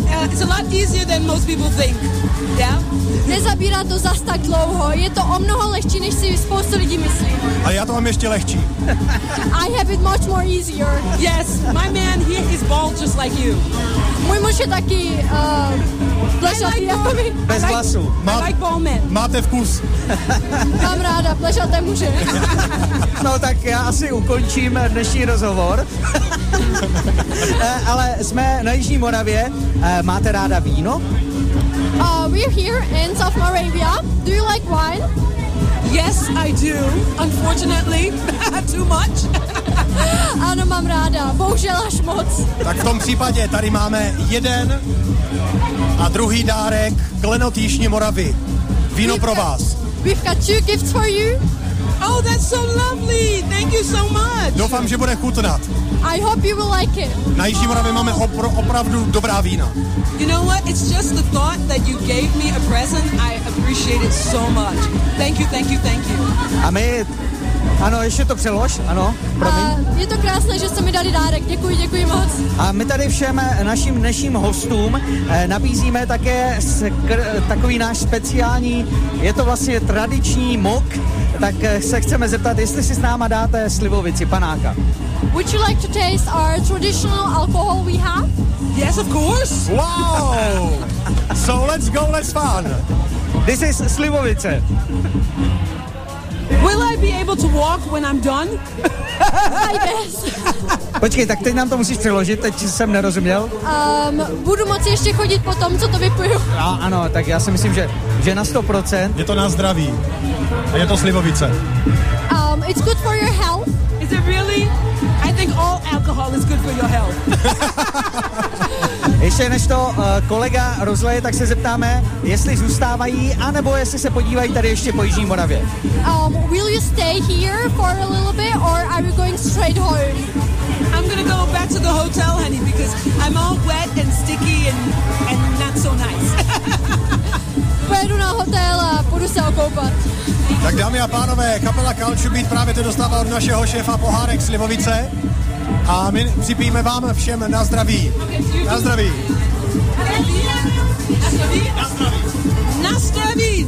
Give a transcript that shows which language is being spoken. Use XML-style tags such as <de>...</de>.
<en>It's a lot easier than most people think. Yeah?</en> <cs>Nezabírá to zas tak dlouho. Je to o mnoho lehčí, než si spoustu lidí myslí. A já to mám ještě lehčí.</cs> <en>I have it much more easier. Yes, my man here is bald just like you.</en> <cs>Můj muž je taky plešatý like jako my. Bez hlasu.</cs> <en>I like bald men.</en> <cs>Máte vkus. Mám ráda, plešaté muže. No tak já asi ukončím dnešní rozhovor. Ale jsme na Jižní Moravě. Máte ráda víno?</cs> <en>We're here in South Moravia. Do you like wine? Yes, I do. Unfortunately, too much.</en> <cs>Ano, mám ráda. Bohužel až moc. Tak v tom případě tady máme jeden a druhý dárek klenot Jižní Moravy. Víno pro vás.</cs> <en>We've got two gifts for you. Oh, that's so lovely. Thank you so much.</en> <cs>Doufám, že bude chutnat.</cs> <en>I hope you will like it.</en> <cs>Na Jižní Moravě máme opravdu dobrá vína.</cs> <en>You know what? It's just the thought that you gave me a present. I appreciate it so much. Thank you, thank you, thank you.</en> <cs>A my... Ano, ještě to přelož, ano, promiň. Je to krásné, že jste mi dali dárek, děkuji, děkuji moc. A my tady všem našim dnešním hostům nabízíme také takový náš speciální, je to vlastně tradiční mok, tak se chceme zeptat, jestli si s náma dáte slivovici, panáka.</cs> <en>Would you like to taste our traditional alcohol we have? Yes, of course. Wow, so let's go, let's fun. This is slivovice. Will I be able to walk when I'm done? I guess.</en> <cs>Počkej, tak teď nám to musíš přeložit, teď jsem nerozuměl. Budu moci ještě chodit po tom, co to vypiju. A, ano, tak já si myslím, že na 100%. Je to na zdraví. A je to slivovice.</cs> <en>It's good for your health. Is it really? I think all alcohol is good for your health.</en> <cs>Ještě než to kolega rozleje, tak se zeptáme, jestli zůstávají, anebo jestli se podívají tady ještě po Jižní Moravě.</cs> <en>Will you stay here for a little bit, or are you going straight home? I'm gonna go back to the hotel, honey, because I'm all wet and sticky and not so nice.</en> <cs>Pojedu na hotel a půjdu se okoupat. Tak dámy a pánové, kapela Culture Beat právě to dostává od našeho šéfa pohárek slivovice. A my připijeme vám všem na zdraví. Na zdraví. Na zdraví.</cs>